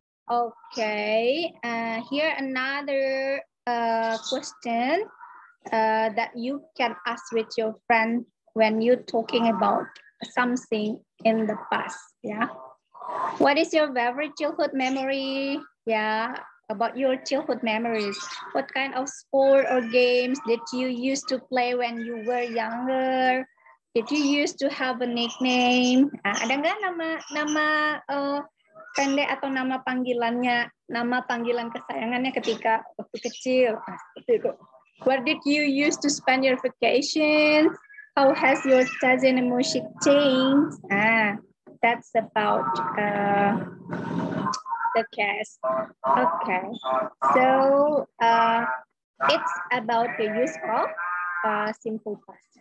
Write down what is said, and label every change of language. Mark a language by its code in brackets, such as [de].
[en] Okay, here another question that you can ask with your friend when you're talking about something in the past, yeah? What is your favorite childhood memory? Yeah, about your childhood memories. What kind of sport or games did you used to play when you were younger? Did you used to have a nickname? [id] Ada nggak nama pendek atau nama panggilannya, nama panggilan kesayangannya ketika waktu kecil. [en] Where did you used to spend your vacations? How has your taste in music changed? That's about the case. Okay, so it's about the use of simple past.